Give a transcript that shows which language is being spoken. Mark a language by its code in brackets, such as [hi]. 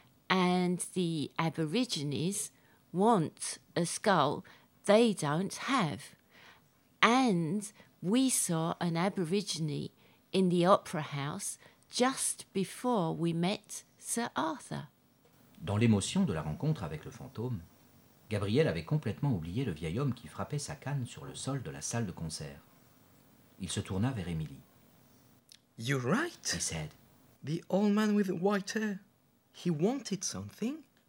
[en] And the Aborigines want a skull they don't have. And we saw an Aborigine in the opera house just before we met Sir Arthur. [fr] Dans l'émotion de la rencontre avec le fantôme, Gabriel avait complètement oublié le vieil homme qui frappait sa canne sur le sol de la salle de concert. Il se tourna vers Emily. [en] You're right, he said. The old man with the white hair, he wanted something.